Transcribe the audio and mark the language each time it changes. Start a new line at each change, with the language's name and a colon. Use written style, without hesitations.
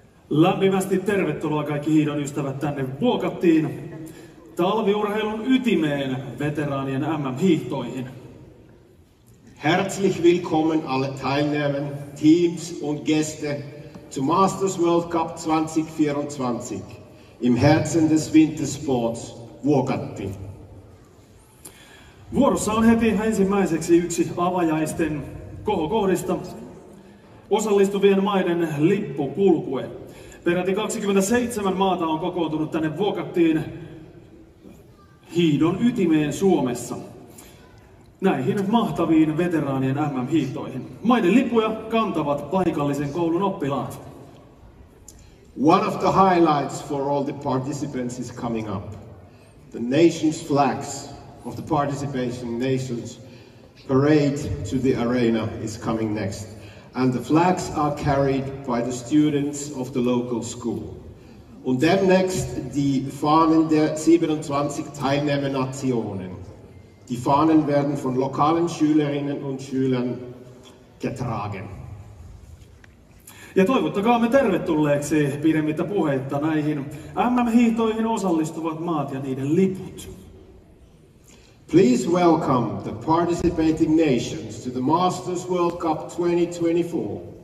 Finnish: Lämpimästi tervetuloa kaikki hiihdon ystävät tänne Vuokattiin, talviurheilun ytimeen, veteraanien MM-hiihtoihin.
German: Herzlich willkommen alle Teilnehmer, Teams und Gäste zu Masters World Cup 2024 im Herzen des Wintersports Vuokatti.
Finnish: Vuorossa on heti ensimmäiseksi yksi avajaisten kohokohdista osallistuvien maiden lippukulkue. Peräti 27 maata on kokoontunut tänne Vuokattiin hiihdon ytimeen Suomessa. Näihin mahtaviin veteraanien MM-hiihtoihin. Maiden lippuja kantavat paikallisen koulun oppilaat.
English: One of the highlights for all the participants is coming up. The nation's flags of the participation nations parade to the arena is coming next. And the flags are carried by the students of the local school.
German: Und demnächst die Fahnen der 27 Teilnehmernationen. Die Fahnen werden von lokalen Schülerinnen und Schülern getragen.
Finnish: Ja toivottakaamme tervetulleeksi pidemmittä puheitta näihin MM-hiihtoihin osallistuvat maat ja niiden liput.
English: Please welcome the participating nations to the Masters World Cup 2024.